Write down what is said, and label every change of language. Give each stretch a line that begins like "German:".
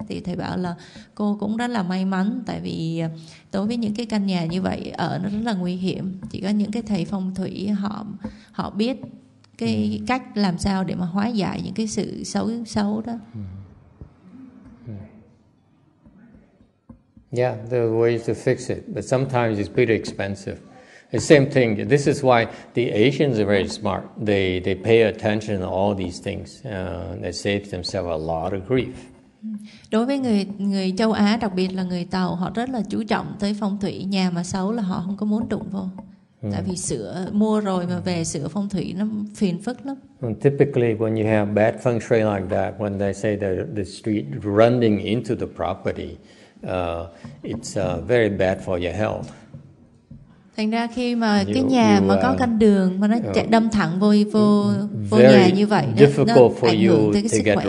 Vietnamese: Thì thầy bảo là cô cũng rất là may mắn, tại vì đối với những cái căn nhà như vậy ở nó rất là nguy hiểm. Chỉ có những cái thầy phong thủy họ biết cái cách làm sao để mà hóa giải những cái sự xấu đó.
English: Yeah, there are ways to fix it, but sometimes it's pretty expensive. The same thing. This is why the Asians are very smart. They pay attention to all these things. They save themselves a lot of grief.
Vietnamese: Đối với người châu Á, đặc biệt là người Tàu, họ rất là chú trọng tới phong thủy. Nhà mà xấu là họ không có muốn đụng vô. Tại vì mua rồi mà về sửa phong thủy nó phiền phức lắm.
English: And typically when you have bad feng shui like that, when they say that the street running into the property, it's very bad for your health.
Vietnamese: Thành ra khi mà cái nhà mà có căn đường mà nó chạy đâm thẳng vô nhà như vậy,
English: difficult
Vietnamese: nó ảnh hưởng tới cái sức khỏe.